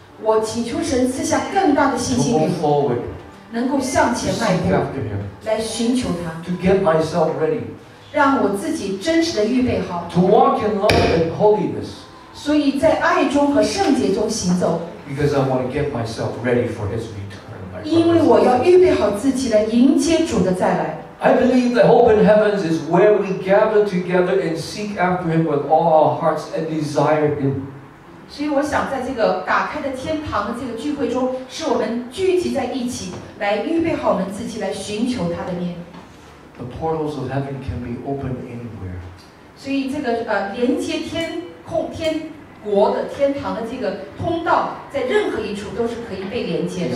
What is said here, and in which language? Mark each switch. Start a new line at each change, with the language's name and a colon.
Chinese: 我祈求神赐下更大的信心。
English: To move forward.
Chinese: 能够向前迈步。
English: To seek after Him.
Chinese: 来寻求他。
English: To get myself ready.
Chinese: 让我自己真实的预备好。
English: To walk in love and holiness.
Chinese: 所以在爱中和圣洁中行走。
English: Because I want to get myself ready for His return.
Chinese: 因为我要预备好自己来迎接主的再来。
English: I believe the hope in heavens is where we gather together and seek after Him with all our hearts and desire Him.
Chinese: 所以我想在这个打开的天堂的这个聚会中，是我们聚集在一起，来预备好我们自己，来寻求他的面。
English: The portals of heaven can be opened anywhere.
Chinese: 所以这个连接天空天国的天堂的这个通道，在任何一处都是可以被连接的。